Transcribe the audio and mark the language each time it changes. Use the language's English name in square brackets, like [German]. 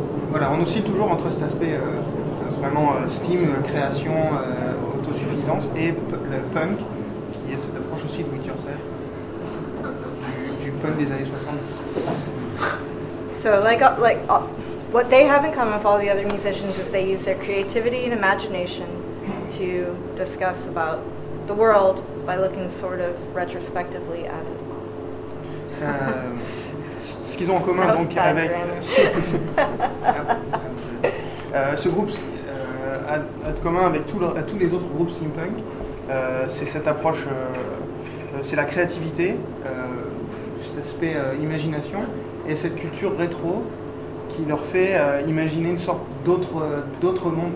[French] Voilà, on oscille toujours entre cet aspect vraiment steam, création, autosuffisance et le punk, qui est cette approche aussi de Winterfell, du punk des années 60. [English] So, what they have in common with all the other musicians is they use their creativity and imagination to discuss about the world by looking sort of retrospectively at it. [French] Ce qu'ils ont en commun donc avec ce groupe a de commun avec tous les autres groupes steampunk, c'est cette approche, c'est la créativité, cet aspect imagination et cette culture rétro qui leur fait imaginer une sorte d'autre monde.